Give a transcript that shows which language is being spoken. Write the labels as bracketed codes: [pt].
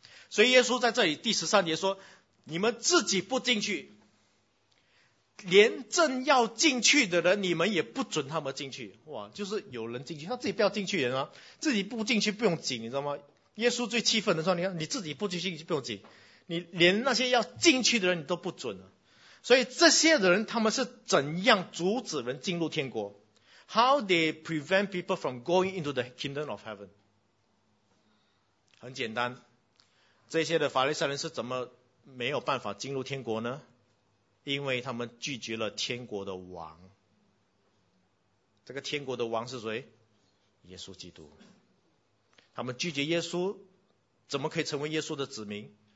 [zh] 所以耶稣在这里第十三节说，你们自己不进去，连正要进去的人你们也不准他们进去。哇，就是有人进去，他自己不要进去人啊，自己不进去不用紧，你知道吗？耶稣最气愤的说，你看你自己不进去不用紧，你连那些要进去的人你都不准了。所以这些人他们是怎样阻止人进入天国？ [en] How they prevent people from going into the kingdom of heaven? [zh] 很简单，这些的法利赛人是怎么没有办法进入天国呢？因为他们拒绝了天国的王。这个天国的王是谁？耶稣基督。他们拒绝耶稣，怎么可以成为耶稣的子民？